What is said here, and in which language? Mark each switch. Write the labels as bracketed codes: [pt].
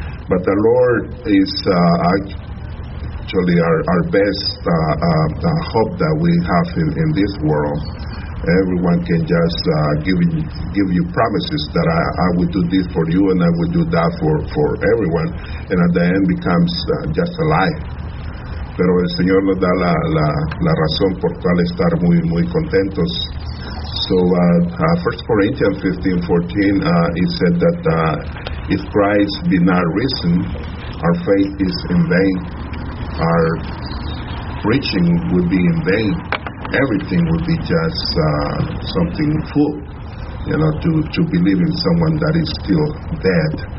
[en] But the Lord is actually our best hope that we have in this world. Everyone can just give you promises that I will do this for you and I will do that for everyone. And at the end becomes just a lie. [es] Pero el Señor nos da la razón por cual estar muy, muy contentos. [en] So 1 Corinthians 15:14, it said that if Christ be not risen, our faith is in vain. Our preaching would be in vain. Everything would be just something full, you know, to believe in someone that is still dead.